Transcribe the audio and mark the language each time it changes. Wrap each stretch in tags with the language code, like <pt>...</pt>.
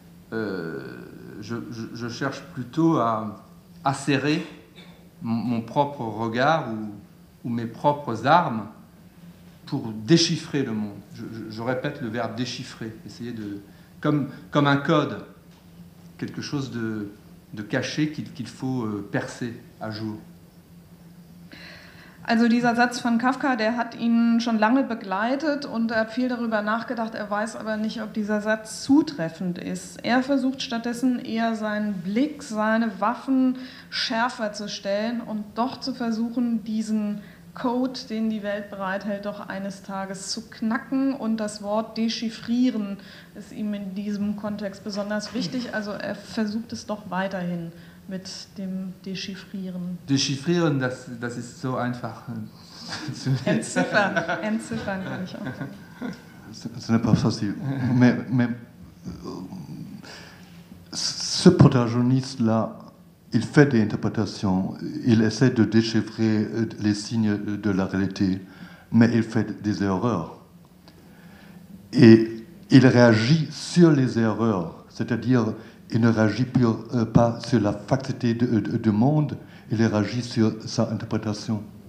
<fr>Je cherche plutôt à serrer mon propre regard ou mes propres armes pour déchiffrer le monde. Je répète le verbe déchiffrer, essayer de, comme un code, quelque chose de caché qu'il faut percer à jour.</fr> <de>Also dieser Satz von Kafka, der hat ihn schon lange begleitet und er hat viel darüber nachgedacht. Er weiß aber nicht, ob dieser Satz zutreffend ist. Er versucht stattdessen eher seinen Blick, seine Waffen schärfer zu stellen und doch zu versuchen, diesen Code, den die Welt bereithält, doch eines Tages zu knacken. Und das Wort dechiffrieren ist ihm in diesem Kontext besonders wichtig. Also er versucht es doch weiterhin mit dem Dechiffrieren. Dechiffrieren, das ist so einfach zu entziffern. Entziffern kann ich auch.</de> <fr>Ce n'est pas facile. Mais ce protagoniste-là, il fait des interprétations. Il essaie de déchiffrer les signes de la réalité, mais il fait des erreurs. Et il réagit sur les erreurs, c'est-à-dire il ne réagit pas sur la facteté du monde, il réagit sur sa interprétation.</fr>